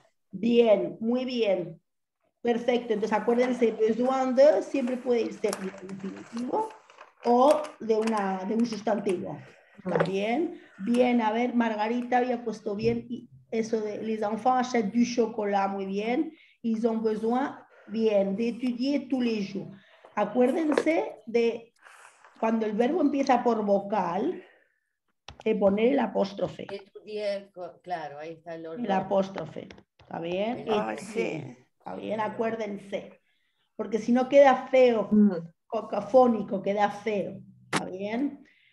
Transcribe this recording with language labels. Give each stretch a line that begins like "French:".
Spanish: Bien, muy bien. Perfecto. Entonces acuérdense, besoin de siempre puede ir de infinitivo o de un sustantivo. ¿Está bien? Bien, a ver, Margarita había puesto bien eso de
French: les enfants achètent du chocolat,
Spanish: muy bien.
French: Ils ont besoin, bien, de étudier tous les jours.
Spanish: Acuérdense de cuando el verbo empieza por vocal, de poner el apóstrofe. Étudier, claro, ahí está el orden. El apóstrofe. ¿Está bien? Ay, sí. ¿Está bien? Acuérdense. Porque si no queda feo, cacofónico, queda feo. ¿Está bien?